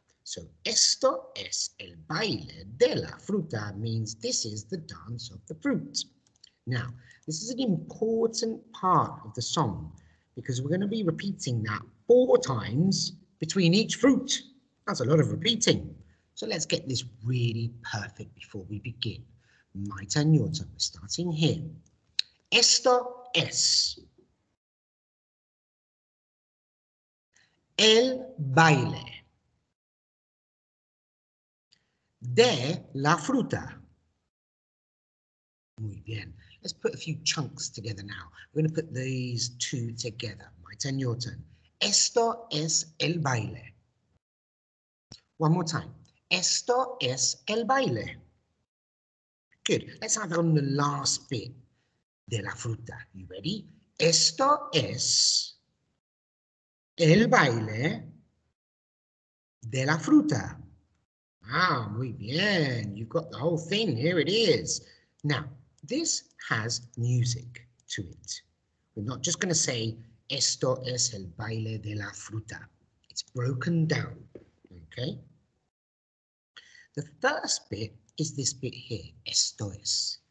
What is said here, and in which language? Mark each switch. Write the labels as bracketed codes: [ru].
[en] So [es] esto es el baile de la fruta [en] means this is the dance of the fruit. Now, this is an important part of the song because we're going to be repeating that four times between each fruit. That's a lot of repeating. So let's get this really perfect before we begin. My turn, your turn. We're starting here. [es] Esto es el baile de la fruta. Muy bien. [en] Let's put a few chunks together now. We're going to put these two together. My turn, your turn. [es] Esto es el baile. [en] One more time. [es] Esto es el baile. [en] Good. Let's add on the last bit [es] de la fruta. [en] You ready? [es] Esto es el baile de la fruta. Ah, muy bien. [en] You've got the whole thing. Here it is. Now, this has music to it. We're not just going to say, [es] esto es el baile de la fruta. [en] It's broken down, okay? The first bit is this bit here, [es] esto es.